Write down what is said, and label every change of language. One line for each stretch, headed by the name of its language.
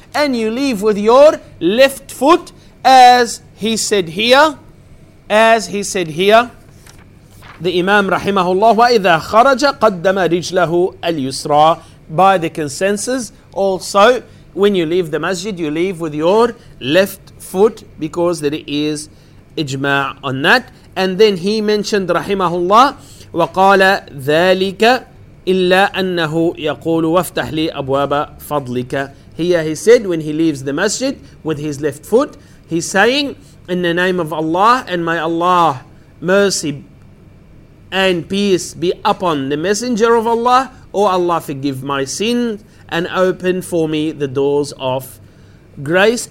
English: And you leave with your left foot, as he said here, as he said here, the Imam rahimahullah,
Arabic: وَإِذَا خَرَجَ قَدَّمَ رِجْلَهُ الْيُسْرَى.
English: By the consensus also, when you leave the masjid, you leave with your left foot, because there is ijma' on that. And then he mentioned rahimahullah,
Arabic: وَقَالَ ذَلِكَ إِلَّا أَنَّهُ يَقُولُ وَافْتَحْ لِي أَبْوَابَ فَضْلِكَ.
English: Here he said, when he leaves the masjid with his left foot, he's saying, in the name of Allah, and may Allah mercy and peace be upon the Messenger of Allah, O Allah, forgive my sin and open for me the doors of grace.